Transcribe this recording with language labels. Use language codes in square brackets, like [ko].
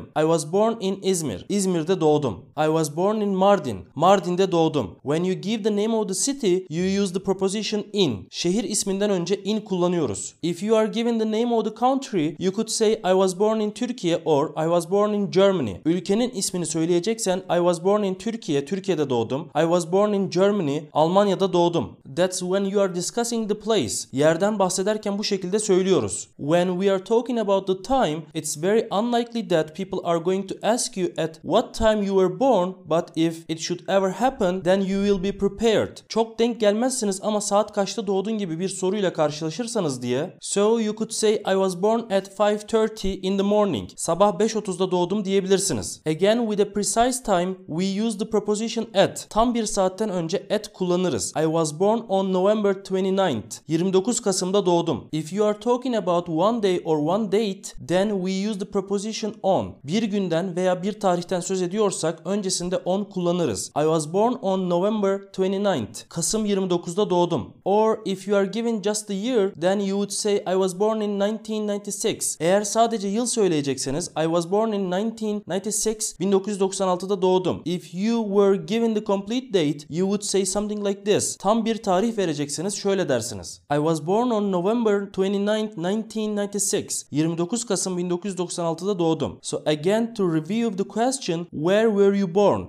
[en] I was born in İzmir. [tr] İzmir'de doğdum. [en] I was born in Mardin. [tr] Mardin'de doğdum. [en] When you give the name of the city, you use the preposition in. [tr] Şehir isminden önce in kullanıyoruz. [en] If you are given the name of the country, you could say I was born in Türkiye or I was born in Germany. [tr] Ülkenin ismini söyleyeceksen [en] I was born in Türkiye, [tr] Türkiye'de doğdum. [en] I was born in Germany, [tr] Almanya'da doğdum. [en] That's when you are discussing the place. [tr] Yerden bahsederken bu şekilde söylüyoruz. [en] When we are talking about the time, it's very unlikely that people are going to ask you at what time you were born, but if it should ever happen, then you will be prepared. [tr] Çok denk gelmezsiniz ama saat kaçta doğdun gibi bir soruyla karşılaşırsanız diye. [en] So you could say I was born at 5:30 in the morning. [tr] Sabah 5:30'da doğdum diyebilirsiniz. [en] Again with a precise time, we use the preposition at. [tr] Tam bir saatten önce at kullanırız. [en] I was born on November 29th. [tr] 29 Kasım'da doğdum. [en] If you are talking about one day or one date, then we use the preposition on. [tr] Bir günden veya bir tarihten söz ediyorsak öncesinde on kullanırız. [en] I was born on November 29th. [tr] Kasım 29'da doğdum. [en] Or if you are given just the year, then you would say I was born in 1996. [tr] Eğer sadece yıl söyleyecekseniz [en] I was born in 1996, [tr] 1996'da doğdum. [en] If you were given the complete date, you would say something like this. [tr] Tam bir tarih verecekseniz şöyle dersiniz. [en] I was born on November 29th, 1996. [tr] 29 Kasım 1996'da doğdum. [en] So again to review the question, where were you born?